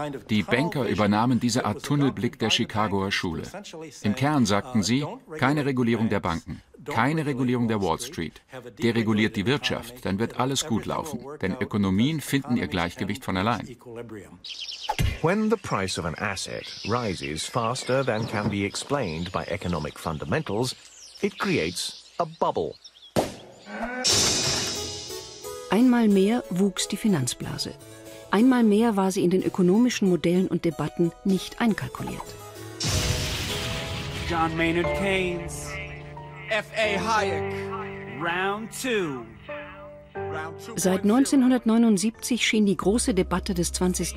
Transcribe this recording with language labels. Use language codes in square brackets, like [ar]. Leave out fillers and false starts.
[de] Die Banker übernahmen diese Art Tunnelblick der Chicagoer Schule. Im Kern sagten sie, keine Regulierung der Banken. Keine Regulierung der Wall Street. Dereguliert die Wirtschaft, dann wird alles gut laufen. Denn Ökonomien finden ihr Gleichgewicht von allein. [en] When the price of an asset rises faster than can be explained by economic fundamentals, it creates a bubble. [de] Einmal mehr wuchs die Finanzblase. Einmal mehr war sie in den ökonomischen Modellen und Debatten nicht einkalkuliert. [en] John Maynard Keynes. F.A. Hayek, round two. [de] Seit 1979 schien die große Debatte des 20.